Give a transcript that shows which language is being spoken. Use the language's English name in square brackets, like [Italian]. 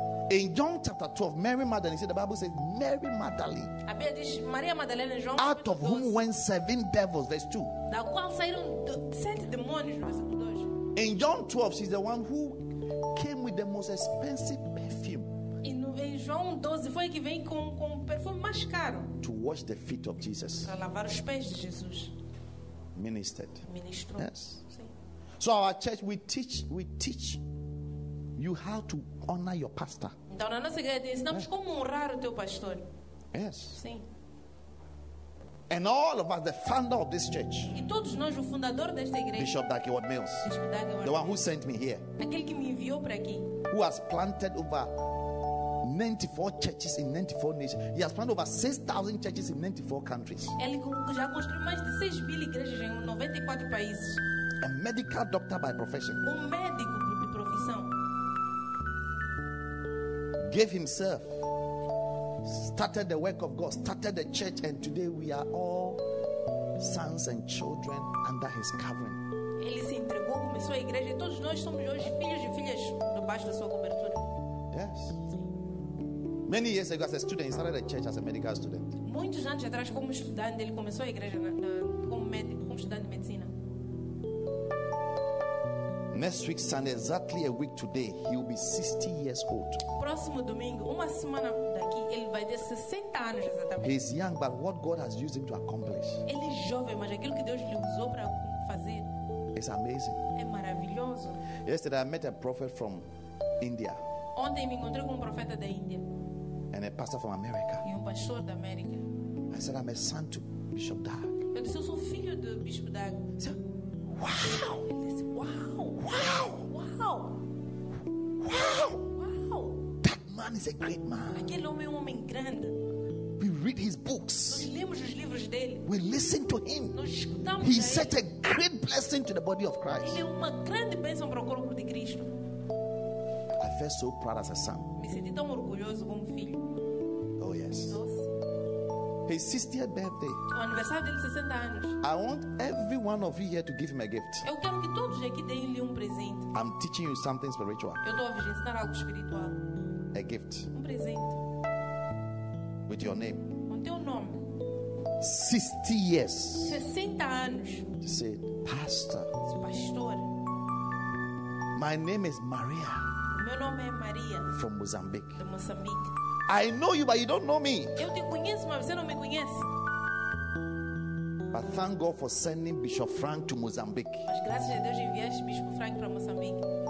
[English] In John chapter 12, Mary Magdalene, the Bible says, Mary Magdalene, [Portuguese] a Bíblia diz, Maria Madalena, João, [English] out of whom went 7 devils, verse 2. [Portuguese] Da qual saíram 7 demônios, [English] verse 2. In John 12, she's the one who came with the most expensive perfume. [Portuguese] E no João 12 foi que vem com perfume mais caro. [English] To wash the feet of Jesus. [Portuguese] Para lavar os pés de Jesus. [English] Ministered. [Portuguese] Ministrou. [English] Yes. [Portuguese] Sim. [English] So our church, we teach you how to honor your pastor. [Portuguese] Então na nossa igreja ensinamos como honrar o teu pastor. [English] Yes. [Portuguese] Sim. [English] And all of us, the founder of this church. [Portuguese] E todos nós, o fundador desta igreja. [English] Bishop Dagwood Mills. [Portuguese] Bispo Dagwood. [English] The one who sent me here. [Portuguese] Aquele que me enviou para aqui. [English] Who has planted over 94 churches in 94 nations. He has planted over 6,000 churches in 94 countries. [Portuguese] Ele já construiu mais de 6 mil igrejas em 94 países. [English] A medical doctor by profession. [Portuguese] Um médico de profissão. [English] Gave himself. Started the work of God, started the church, and today we are all sons and children under his covering. [Portuguese] Ele se entregou, começou a igreja, e todos nós somos hoje filhos e filhas debaixo da sua cobertura. [English] Yes. [Portuguese] Sim. [English] Many years ago, as a student, he started a church as a medical student. [Portuguese] Muitos anos atrás, como estudante, ele começou a igreja como médico, como estudante de medicina. [English] Next week, son, exactly a week today, he will be 60 years old. [Portuguese] Próximo domingo, uma semana daqui, ele vai ter 60 anos exatamente. [English] He is young, but what God has used him to accomplish. [Portuguese] Ele é jovem, mas aquilo que Deus lhe usou para fazer. [English] It's amazing. [Portuguese] É maravilhoso. [English] Yesterday I met a prophet from India. [Portuguese] Ontem me encontrei com um profeta da Índia. [English] And a pastor from America. [Portuguese] E um pastor da América. [English] I said I'm a son to Bishop Dag. [Portuguese] Eu disse eu sou filho do Bispo Dag. [English] Wow. Wow! That man is a great man. [Portuguese] Aquele homem é um homem grande. [English] We read his books. [Portuguese] Nós lemos os livros dele. [English] We listen to him. [Portuguese] Nós escutamos. [English] He set a great blessing to the body of Christ. [Portuguese] Ele é uma grande bênção para o corpo de Cristo. [English] I felt so proud as a son. [Portuguese] Me senti tão orgulhoso como filho. [English] Oh yes. His 60th birthday. [Portuguese] O aniversário dele 60 anos. [English] I want every one of you here to give him a gift. [Portuguese] Eu quero que todos aqui deem-lhe um presente. [English] I'm teaching you something spiritual. [Portuguese] Eu estou a vos ensinar algo espiritual. [English] A gift. [Portuguese] Um presente. [English] With your name. [Portuguese] Com teu nome. [English] 60 years. [Portuguese] 60 anos. [English] To say, pastor. [Portuguese] Pastor. [English] My name is Maria. [Portuguese] Meu nome é Maria. [English] From Mozambique. [Portuguese] De Moçambique. [English] I know you, but you don't know me. [Portuguese] Eu te conheço, mas você não me conhece. [English] But thank God for sending Bishop Frank to Mozambique. [Portuguese] Mas graças a Deus enviaste Bispo Frank para Moçambique.